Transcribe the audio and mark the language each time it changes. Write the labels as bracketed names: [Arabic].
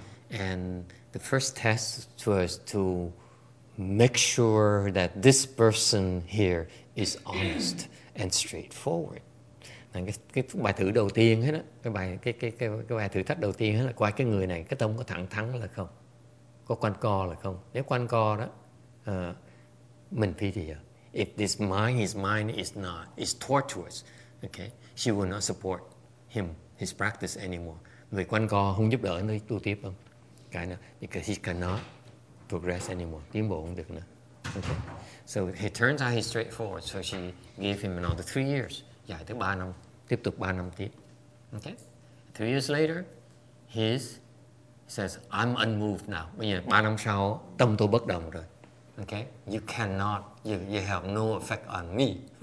[English] And the first test was to make sure that this person here is honest and straightforward. [Vietnamese] Cái bài thử đầu tiên hết á, cái bài thử thách đầu tiên hết là coi cái người này cái tâm có thẳng thắn là không, có quanh co là không. Nếu quanh co đó, mình phi thì [English] if this mind, his mind is not, is tortuous, okay, she will not support him, his practice anymore. [Vietnamese] Người quanh co không giúp đỡ nó tu tiếp không? Cái nào, [English] because he cannot progress anymore, [Vietnamese] tiến bộ không được nữa. [English] Okay. So it turns out he's straightforward, so she gave him another 3 years. [Vietnamese] Dài tới 3 năm, tiếp tục 3 năm tiếp. [English] Okay. 3 years later, he says, I'm unmoved now. [Vietnamese] Bây giờ 3 năm sau, tâm tôi bất động rồi. [English] Okay. You cannot, you have no effect on me.